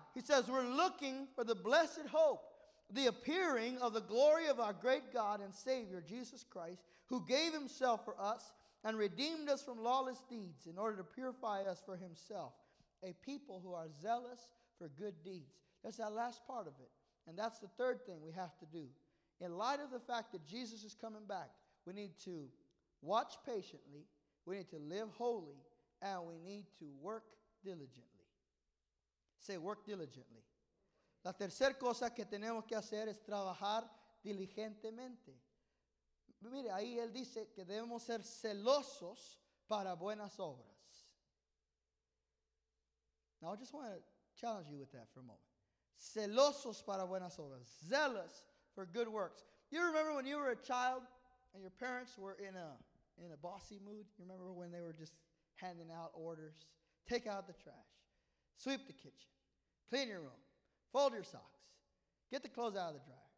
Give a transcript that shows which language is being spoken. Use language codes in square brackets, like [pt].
[en] He says, we're looking for the blessed hope, the appearing of the glory of our great God and Savior, Jesus Christ, who gave himself for us and redeemed us from lawless deeds in order to purify us for himself, a people who are zealous for good deeds. That's that last part of it. And that's the third thing we have to do. In light of the fact that Jesus is coming back, we need to watch patiently, we need to live holy, and we need to work diligently. Say, work diligently. [es] La tercera cosa que tenemos que hacer es trabajar diligentemente. Mire, ahí él dice que debemos ser celosos para buenas obras. [en] Now, I just want to challenge you with that for a moment. [es] Celosos para buenas obras. [en] Zealous for good works. You remember when you were a child and your parents were in a bossy mood? You remember when they were just handing out orders? Take out the trash. Sweep the kitchen. Clean your room. Fold your socks. Get the clothes out of the dryer.